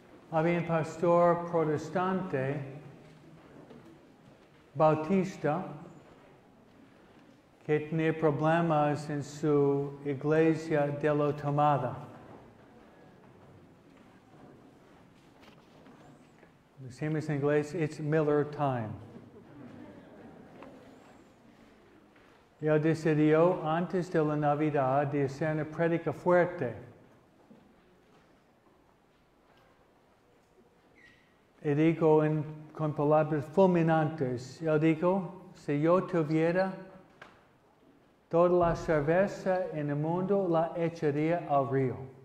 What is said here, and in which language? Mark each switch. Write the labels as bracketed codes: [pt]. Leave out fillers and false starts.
[es] Había un pastor protestante, Bautista, que tenía problemas en su iglesia de la Tomada. [en] The same as in English, it's Miller time. [es] Y él decidió, antes de la Navidad, de hacer una predica fuerte. Y dijo con palabras fulminantes, él dijo, si yo tuviera toda la cerveza en el mundo, la echaría al río.